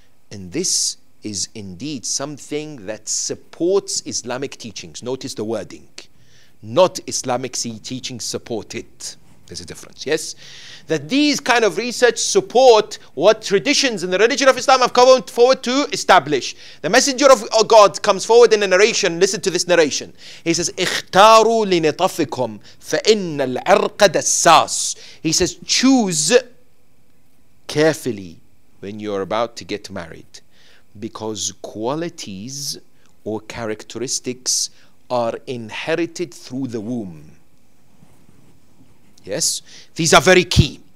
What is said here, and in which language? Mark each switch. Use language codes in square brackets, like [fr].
[en] And this is indeed something that supports Islamic teachings. Notice the wording. Not Islamic teachings support it. There's a difference, yes? That these kind of research support what traditions in the religion of Islam have come forward to establish. The Messenger of God comes forward in a narration. Listen to this narration. He says, [ar] اختاروا لنطفكم فإن العرق دساس. [en] He says, choose carefully when you're about to get married, because qualities or characteristics are inherited through the womb. Yes? These are very key.